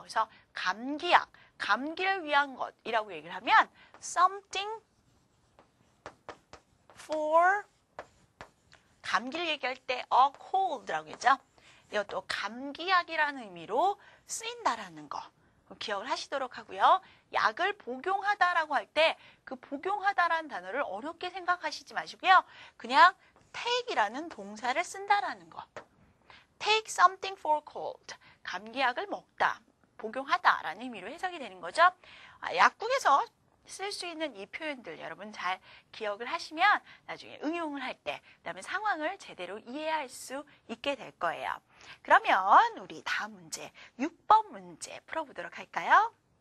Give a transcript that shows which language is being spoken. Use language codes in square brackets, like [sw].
[ko] 그래서 감기약, 감기를 위한 것이라고 얘기를 하면 something for 감기를 얘기할 때 a cold라고 했죠. 이것도 감기약이라는 의미로 쓰인다라는 거 기억을 하시도록 하고요. 약을 복용하다라고 할 때 그 복용하다라는 단어를 어렵게 생각하시지 마시고요. 그냥 take이라는 동사를 쓴다라는 거. [en] Take something for cold. [ko] 감기약을 먹다, 복용하다라는 의미로 해석이 되는 거죠. 약국에서 쓸 수 있는 이 표현들 여러분 잘 기억을 하시면 나중에 응용을 할 때 그 다음에 상황을 제대로 이해할 수 있게 될 거예요. 그러면 우리 다음 문제 6번 문제 풀어보도록 할까요?